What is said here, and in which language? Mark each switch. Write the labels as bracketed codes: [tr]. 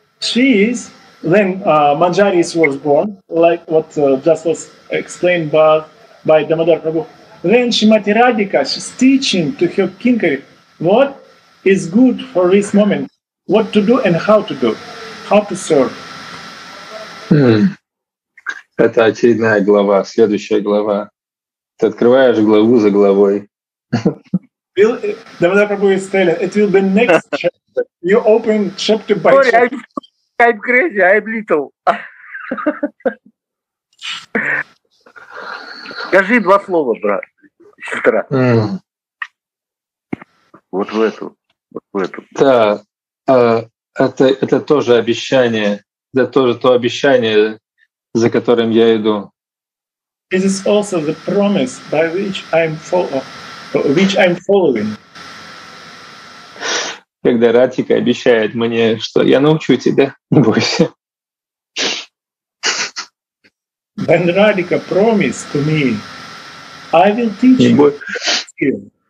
[en] She is then Manjari was born, like what just was explained by Damodar Prabhu. Then Shrimati Radhika, she's teaching to her Kinkari what is good for this moment, what to do and how to do, how to serve. [ru] Это очередная глава, следующая глава. Ты открываешь главу за главой. [en] It will be next chapter. You open chapter by chapter. Sorry, I'm crazy, I'm little. [ru] Скажи два слова, брат, сестра. Вот в эту, вот в эту. Да, это тоже обещание, это тоже то обещание, за которым я иду. [en] This is also the promise by which I'm following. [ru] Когда Радхика обещает мне, что я научу тебя, не бойся. [en] When Radhika promised to me, I will teach you.